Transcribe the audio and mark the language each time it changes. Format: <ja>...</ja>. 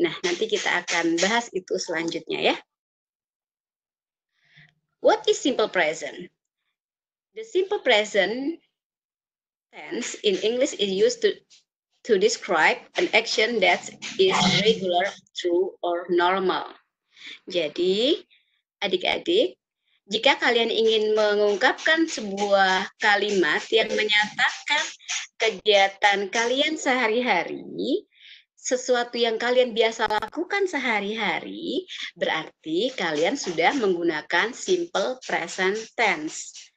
<id>Nah, nanti kita akan bahas itu selanjutnya ya.</id> <en>What is simple present? The simple present tense in English is used to describe an action that is regular, true, or normal.</en> <id>Jadi, adik-adik, jika kalian ingin mengungkapkan sebuah kalimat yang menyatakan kegiatan kalian sehari-hari, sesuatu yang kalian biasa lakukan sehari-hari, berarti kalian sudah menggunakan simple present tense.</id>